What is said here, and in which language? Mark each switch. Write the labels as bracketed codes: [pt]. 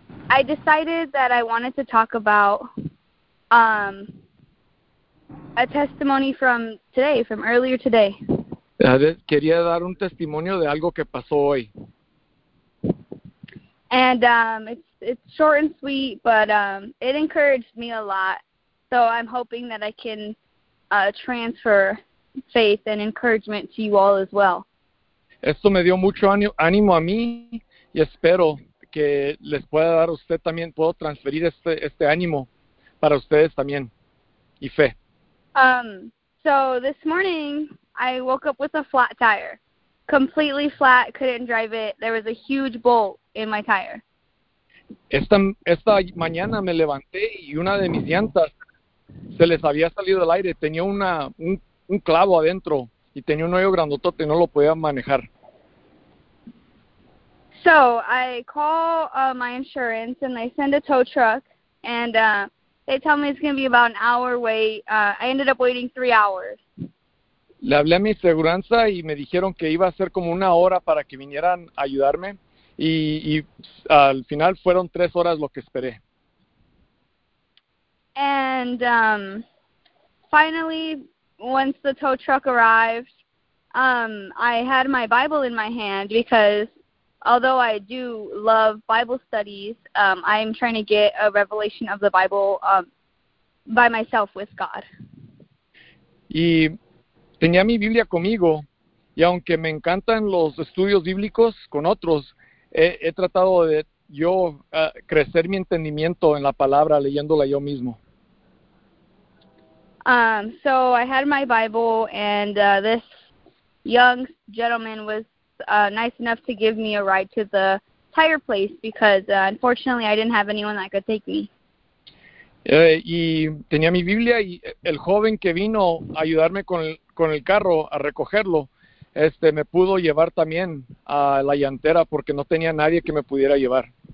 [en] I decided that I wanted to talk about a testimony from today, from earlier today. [es] Quería dar un testimonio de algo que pasó hoy. [en] And it's short and sweet, but it encouraged me a lot. So I'm hoping that I can transfer faith and encouragement to you all as well. [es] Esto me dio mucho ánimo a mí y espero que les pueda dar a usted también, puedo transferir este ánimo para ustedes también, y fe. [en] So this morning, I woke up with a flat tire. Completely flat, couldn't drive it. There was a huge bolt in my tire. [es] Esta mañana me levanté y una de mis llantas se les había salido del aire. Tenía un clavo adentro y tenía un hoyo grandotote, no lo podía manejar. [en] So I call my insurance, and they send a tow truck, and they tell me it's going to be about an hour wait. I ended up waiting 3 hours. [es] Le hablé a mi aseguranza, y me dijeron que iba a ser como una hora para que vinieran a ayudarme, y al final fueron 3 horas lo que esperé. [en] And finally, once the tow truck arrived, I had my Bible in my hand because although I do love Bible studies, I'm trying to get a revelation of the Bible by myself with God. [es] Y tenía mi Biblia conmigo, y aunque me encantan los estudios bíblicos con otros, he tratado de yo crecer mi entendimiento en la palabra leyéndola yo mismo. [en] So I had my Bible, and this young gentleman was nice enough to give me a ride to the tire place because unfortunately I didn't have anyone that could take me. [es] Y tenía mi Biblia, y el joven que vino a ayudarme con el carro a recogerlo, me pudo llevar también a la llantera porque no tenía nadie que me pudiera llevar.